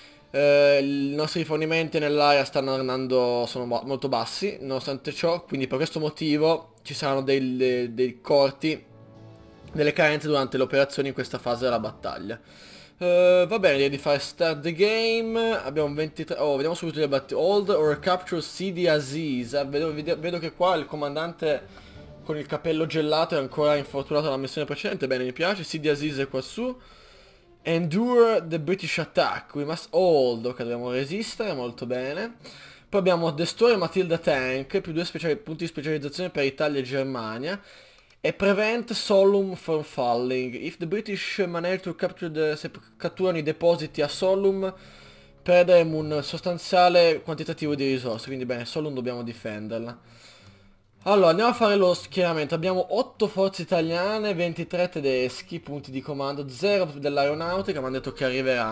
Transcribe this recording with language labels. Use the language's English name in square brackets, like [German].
[Italian] I nostri rifornimenti nell'area sono molto bassi, nonostante ciò, quindi per questo motivo ci saranno dei corti, delle carenze durante le operazioni in questa fase della battaglia. Va bene, direi di fare [English] start the game. [Italian] Abbiamo 23. Oh, vediamo subito gli abbattimenti. [English] Hold or capture Sidi Aziz. [Italian] Vedo che qua il comandante con il cappello gelato è ancora infortunato dalla missione precedente. Bene, mi piace. Sidi Aziz è quassù. [English] Endure the British attack. We must hold. [Italian] Ok, dobbiamo resistere, molto bene. Poi abbiamo [English] Destroy Matilda Tank, [Italian] più due punti di specializzazione per Italia e Germania. [English] E prevent Solum from falling. If the British manage to capture the... [Italian] Se catturano i depositi a Solum, perderemo un sostanziale quantitativo di risorse. Quindi bene, Solum dobbiamo difenderla. Allora, andiamo a fare lo schieramento. Abbiamo 8 forze italiane, 23 tedeschi, punti di comando, 0 dell'aeronautica, mi hanno detto che arriveranno.